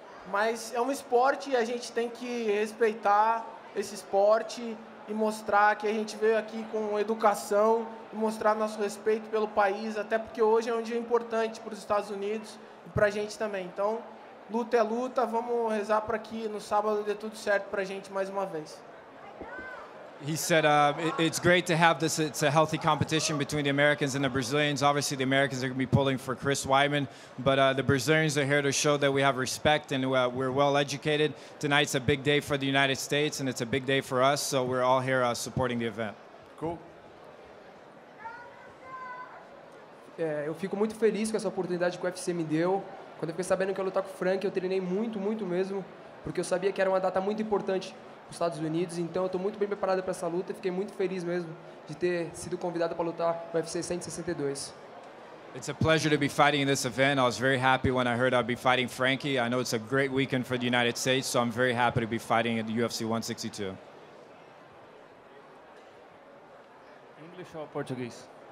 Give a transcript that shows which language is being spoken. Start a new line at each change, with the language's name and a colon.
Portuguese: Mas é um esporte e a gente tem que respeitar esse esporte e mostrar que a gente veio aqui com educação e mostrar nosso respeito pelo país, até porque hoje é um dia importante para os Estados Unidos e para a gente também. Então, luta é luta, vamos rezar para que no sábado dê tudo certo pra gente mais uma vez.
English: He said it's great to have this. It's a healthy competition between the Americans and the Brazilians. Obviously, the Americans are going to be pulling for Chris Weidman, but the Brazilians are here to show that we have respect and we're well-educated. Tonight's a big day for the United States, and it's a big day for us, so we're all here supporting the event. Cool.
Portuguese: Eu fico muito feliz com essa oportunidade que o UFC me deu. Quando eu fiquei sabendo que eu ia lutar com o Frank, eu treinei muito, muito mesmo, porque eu sabia que era uma data muito importante nos Estados Unidos, então eu estou muito bem preparado para essa luta e fiquei muito feliz mesmo de ter sido convidado para lutar no UFC 162.
English: It's a pleasure to be fighting in this event. I was very happy when I heard I'd be fighting Frankie. I know it's a great weekend for the United States, so I'm very happy to be fighting at the UFC 162. English or Portuguese?